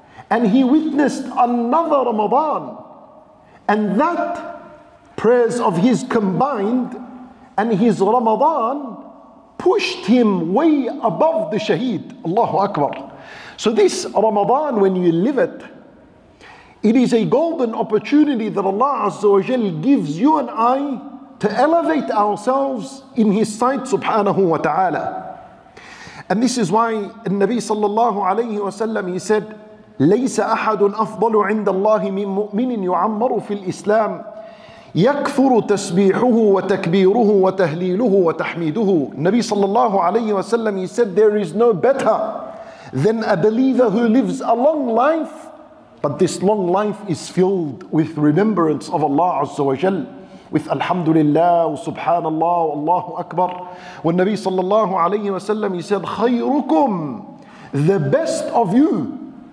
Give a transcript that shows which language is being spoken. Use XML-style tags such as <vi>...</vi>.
<en>And he witnessed another Ramadan. And that prayers of his combined and his Ramadan pushed him way above the shaheed. Allahu Akbar. So this Ramadan, when you live it, it is a golden opportunity that Allah Azza wa Jal gives you and I to elevate ourselves in His sight, subhanahu wa ta'ala. And this is why Nabi sallallahu alayhi wa sallam, he said,</en> <ar>لَيْسَ أَحَدٌ أَفْضَلُ عِنْدَ اللَّهِ مِنْ مُؤْمِنٍ يُعَمَّرُ فِي الْإِسْلَامِ يَكْفُرُ تَسْبِيحُهُ وَتَكْبِيرُهُ وَتَهْلِيلُهُ وَتَحْمِيدُهُ.</ar> <en>Nabi sallallahu alayhi wa sallam, he said, there is no better than a believer who lives a long life, but this long life is filled with remembrance of Allah Azza wa Jal, with Alhamdulillah, Subhanallah, Allahu Akbar. When Nabi sallallahu alayhi wa sallam, he said,</en> <ar>خَيْرُكُمْ,</ar> <en>the best of you.</en>